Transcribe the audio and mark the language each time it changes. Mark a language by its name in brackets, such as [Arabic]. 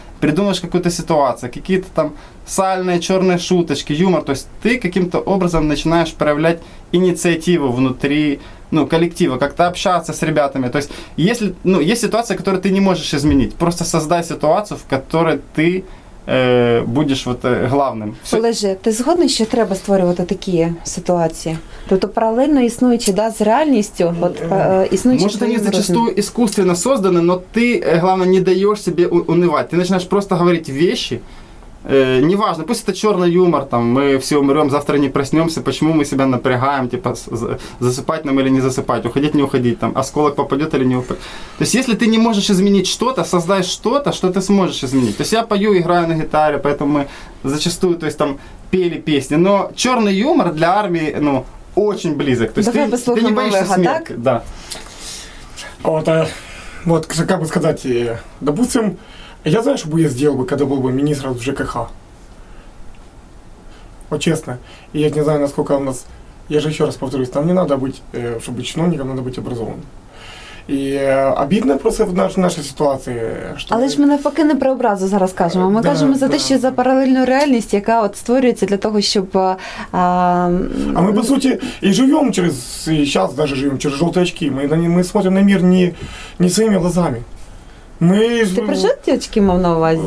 [Russian] Придумываешь какую-то ситуацию, какие-то там сальные черные шуточки, юмор. То есть ты каким-то образом начинаешь проявлять инициативу внутри, ну, коллектива, как-то общаться с ребятами. То есть если, ну, есть ситуация, которую ты не можешь изменить. Просто создай ситуацию, в которой ты будеш вот главним. [Ukrainian] Олеже, ти згодний, що треба створювати такі ситуації? Тобто паралельно існуючи, да, з реальністю, от існуючи. Може, вони зачастую іскусственно створені, але ти, головне, не даєш собі унивати. Ти починаєш просто говорити речі. [Russian] Неважно, пусть это черный юмор, там, мы все умрем, завтра не проснемся, почему мы себя напрягаем, типа, засыпать нам или не засыпать, уходить, не уходить, там, осколок попадет или не упадет. То есть, если ты не можешь изменить что-то, создай что-то, что ты сможешь изменить. То есть, я пою, играю на гитаре, поэтому мы зачастую, то есть, там, пели песни, но черный юмор для армии, ну, очень близок. То есть, ты не боишься Олега, смерти, так? Да. Вот, как бы сказать, допустим, я знаю, что бы я сделал бы, когда был бы министром ЖКХ. Вот честно. И я не знаю, насколько у нас. Я же еще раз повторюсь, нам не надо быть, чтобы быть чиновником, надо быть образованным. И обидно просто в нашей ситуации, что. [Ukrainian] Але ж ми навпаки не про образу зараз кажемо. Ми кажемо за те, що за паралельну реальність, яка от створюється для того, щоб. А ми, по суті, і живемо через. І зараз навіть живемо через жовті очки. Ми смотримо на мир не своїми глазами. Ми ж. Ти прижити очки мав на увазі?